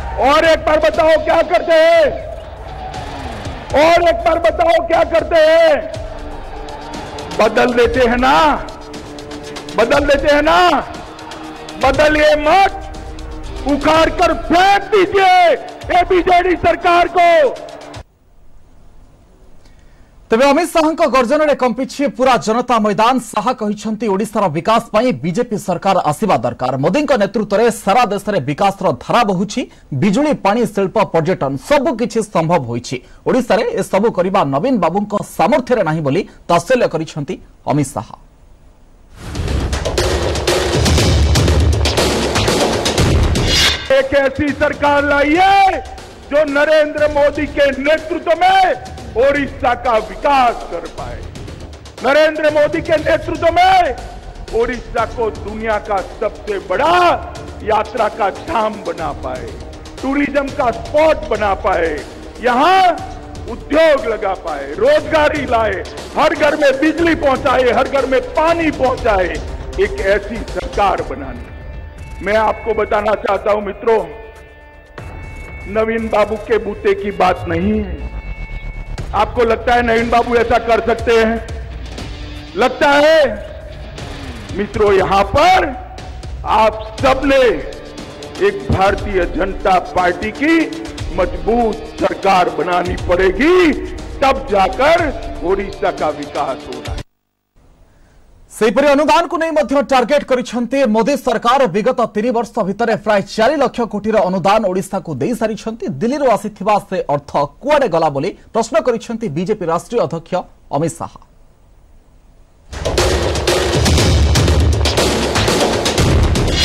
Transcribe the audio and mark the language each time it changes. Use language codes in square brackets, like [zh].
[hi] और एक बार बताओ क्या करते हैं और एक बार बताओ क्या करते हैं बदल देते हैं ना बदल देते हैं ना बदलिए मत उखाड़ कर फेंक दीजिए एबीजेडी सरकार को [or] ତେବେ ଅମିତ ଶାହାଙ୍କ ଗର୍ଜନରେ କମ୍ପିଛି ପୁରା ଜନତା ମଇଦାନ ଶାହା କହିଛନ୍ତି ଓଡ଼ିଶାର ବିକାଶ ପାଇଁ ବିଜେପି ସରକାର ଆସିବା ଦରକାର ମୋଦିଙ୍କ ନେତୃତ୍ୱରେ ସାରା ଦେଶରେ ବିକାଶର ଧାରା ବହୁଛି ବିଜୁଳି ପାଣି ଶିଳ୍ପ ପର୍ଯ୍ୟଟନ ସବୁକିଛି ସମ୍ଭବ ହୋଇଛି ଓଡ଼ିଶାରେ ଏସବୁ କରିବା ନବୀନ ବାବୁଙ୍କ ସାମର୍ଥ୍ୟରେ ନାହିଁ ବୋଲି ତାତ୍ସଲ୍ୟ କରିଛନ୍ତି ଅମିତ ଶାହା [hi] ଏକ ଏସି ସରକାର ଲାଇଏ ଯୋ ନରେନ୍ଦ୍ର ମୋଦି କେ ନେତୃତ୍ୱ ମେ ओडिशा का विकास कर पाए नरेंद्र मोदी के नेतृत्व में ओडिशा को दुनिया का सबसे बड़ा यात्रा का धाम बना पाए टूरिज्म का स्पॉट बना पाए यहाँ उद्योग लगा पाए रोजगारी लाए हर घर में बिजली पहुंचाए हर घर में पानी पहुंचाए एक ऐसी सरकार बनाने मैं आपको बताना चाहता हूं मित्रों नवीन बाबू के बूते की बात नहीं है आपको लगता है नवीन बाबू ऐसा कर सकते हैं लगता है मित्रों यहां पर आप सबने एक भारतीय जनता पार्टी की मजबूत सरकार बनानी पड़ेगी तब जाकर ओडिशा का विकास हो रहा है [or] ସେହିପରି ଅନୁଦାନକୁ ନେଇ ମଧ୍ୟ ଟାର୍ଗେଟ୍ କରିଛନ୍ତି ମୋଦି ସରକାର ବିଗତ 3 ବର୍ଷ ଭିତରେ ପ୍ରାୟ 4 ଲକ୍ଷ କୋଟିର ଅନୁଦାନ ଓଡ଼ିଶାକୁ ଦେଇସାରିଛନ୍ତି ଦିଲ୍ଲୀରୁ ଆସିଥିବା ସେ ଅର୍ଥ କୁଆଡ଼େ ଗଲା ବୋଲି ପ୍ରଶ୍ନ କରିଛନ୍ତି ବିଜେପି ରାଷ୍ଟ୍ରୀୟ ଅଧ୍ୟକ୍ଷ ଅମିତ ଶାହା